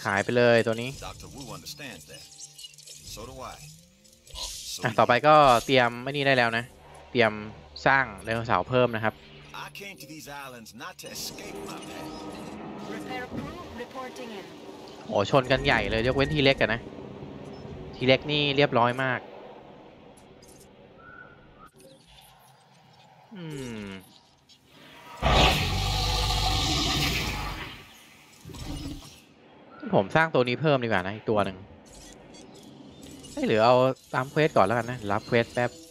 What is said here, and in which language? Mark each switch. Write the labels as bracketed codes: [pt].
[th] ขายไปเลยตัวนี้ [en] Dr. Wu understands that. So do I. [th] ต่อไปก็เตรียมไม่นี่ได้แล้วนะเตรียมสร้างไดโนเสาร์เพิ่มนะครับ [en] I came to these islands not to escape my past. Repair crew reporting in. [th] โอ้ชนกันใหญ่เลยยกเว้นทีเล็กอ่ะนะทีเล็กนี่เรียบร้อยมากผมสร้างตัวนี้เพิ่มดีกว่านะอีกตัวหนึ่งให้หรือเอาตามเควสก่อนแล้วกันนะรับเควสแป๊บ